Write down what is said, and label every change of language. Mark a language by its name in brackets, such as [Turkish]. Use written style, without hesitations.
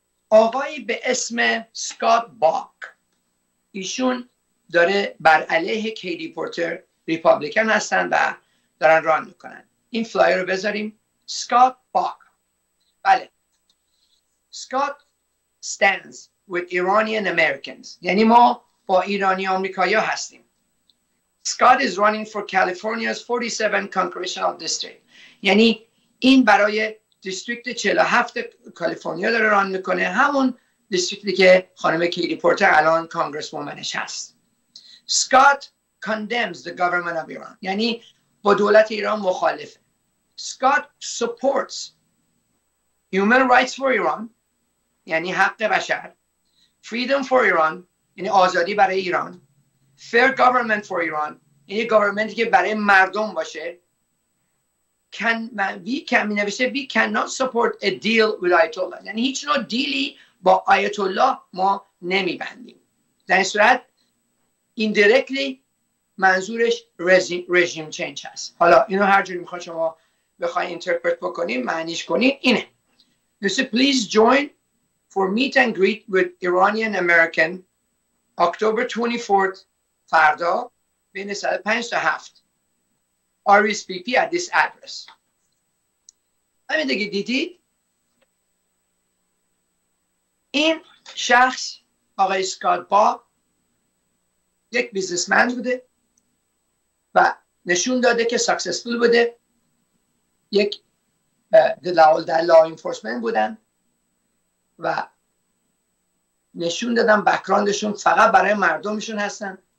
[Persian] آقایی به اسم سکات باک، ایشون داره بر علیه کیدی پورتر ریپابلیکن هستن و دارن ران میکنن. این فلایر رو بذاریم. سکات باک، بله، سکات [English] stands with Iranian Americans، [Persian] یعنی ما با ایرانی آمریکایی هستیم. [English] Scott is running for California's 47th congressional district. [Persian] یعنی این برای دیستریکت 47 کالیفرنیا داره ران میکنه، همون دیستریکتی که خانم کیلی پورتر الان کانگرس وومنش هست. [English] Scott condemns the government of Iran. [Persian] یعنی با دولت ایران مخالفه. [English] Scott supports human rights for Iran. [Persian] یعنی حق بشر. [English] Freedom for Iran. [Persian] یعنی آزادی برای ایران. [English] Fair government for Iran. [Persian] یعنی گورنمنتی که برای مردم باشه. [English] We cannot support a deal with Ayatollah. [Persian] یعنی هیچ نوع دیلی با آیت الله ما نمیبندیم. در این صورت indirectly منظورش رژیم چینج هست. حالا اینو هر جوری میخواد شما بخواید اینترپرت بکنید، معنیش کنید، اینه. [English] Just please join for meet and greet with Iranian American October 24th. [Persian] فردا بین ساعت 5 تا 7 [English] RSVP at this address. [Persian] همین دیگه دیدید؟ این شخص آقای سکات با یک بیزنسمن بوده و نشون داده که ساکسسفول بوده، یک دلال در لا انفورسمنت بودن و نشون دادن بکراندشون فقط برای مردمشون هستن.